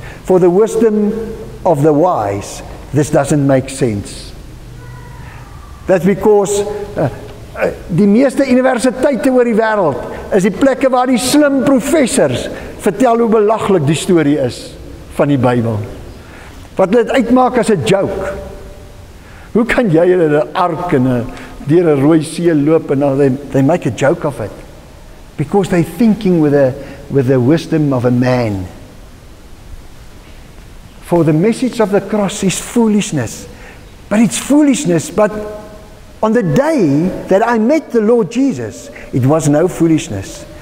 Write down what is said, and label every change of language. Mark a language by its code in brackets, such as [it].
[en] For the wisdom of the wise, this doesn't make sense. That's because [af] die meeste universiteite oor die wêreld is die plekke waar die slim professors vertel hoe belaglik die storie is van die Bybel. Wat dit uitmaak as 'n joke. Hoe kan jy in 'n ark en deur 'n rooi see loop en [en] they make a joke of it? Because they're thinking with the wisdom of a man. For the message of the cross is foolishness. But it's foolishness, but on the day that I met the Lord Jesus, it was no foolishness.